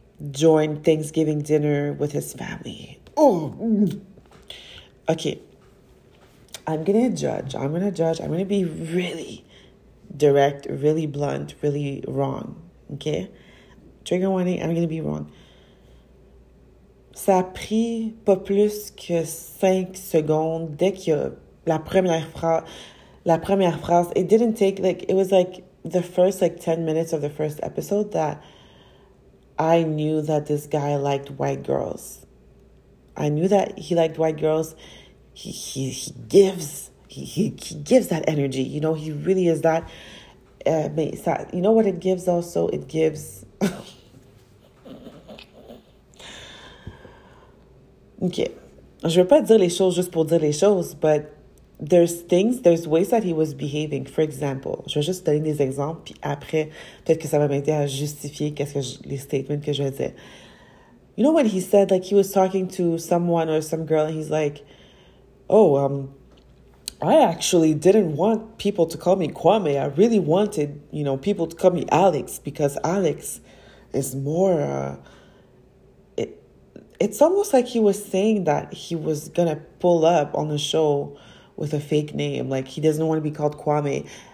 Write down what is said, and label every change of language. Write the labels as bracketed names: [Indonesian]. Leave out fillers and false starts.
[English] join Thanksgiving dinner with his family. Oh, okay. I'm gonna judge. I'm gonna be really direct, really blunt, really wrong. Okay, trigger warning. I'm gonna be wrong. [French] Ça a pris pas plus que 5 secondes dès que la première phrase. [English] It didn't take like it was like the first like 10 minutes of the first episode that. I knew that this guy liked white girls. I knew that he liked white girls. He gives that energy. You know, he really is that. You know what it gives also? It gives... [French] Okay. Je veux pas dire les choses juste pour dire les choses, [English] but there's ways that he was behaving. For example, [French] je vais juste donner des exemples, puis après, peut-être que ça va m'aider à justifier les statements que je vais dire. [English] You know when he said, like, he was talking to someone or some girl, and he's like, I actually didn't want people to call me Kwame. I really wanted, you know, people to call me Alex, because Alex is more, it's almost like he was saying that he was gonna pull up on the show with a fake name, like he doesn't want to be called Kwame.